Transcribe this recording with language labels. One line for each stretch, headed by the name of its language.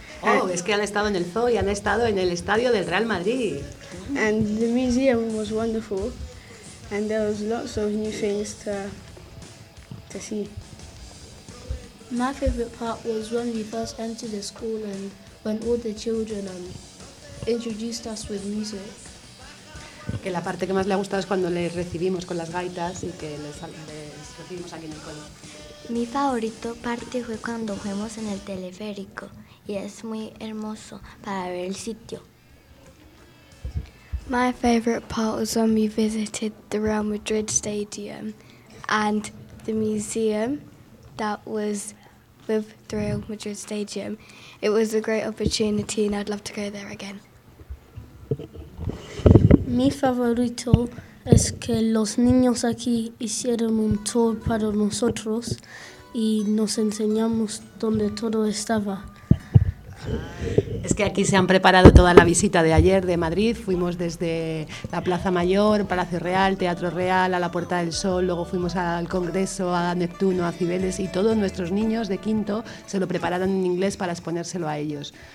Spanish: Oh, es que han estado en el zoo y han estado en el estadio del Real Madrid.
English: And the museum was wonderful, and there was lots of new things to see. My favorite part was when we first entered the school and when all the children introduced us with music.
Spanish: Que la parte que más le ha gustado es cuando les recibimos con las gaitas y que les recibimos aquí en el colegio. Mi favorito parte fue cuando fuimos en el teleférico y es muy hermoso para ver el sitio.
English: My favorite part was when we visited the Real Madrid Stadium and the museum that was with the Real Madrid Stadium. It was a great opportunity and I'd love to go there again.
Spanish: Mi favorito es que los niños aquí hicieron un tour para nosotros y nos enseñamos dónde todo estaba. Es que aquí se han preparado toda la visita de ayer de Madrid. Fuimos desde la Plaza Mayor, Palacio Real, Teatro Real, a la Puerta del Sol, luego fuimos al Congreso, a Neptuno, a Cibeles y todos nuestros niños de quinto se lo prepararon en inglés para exponérselo a ellos.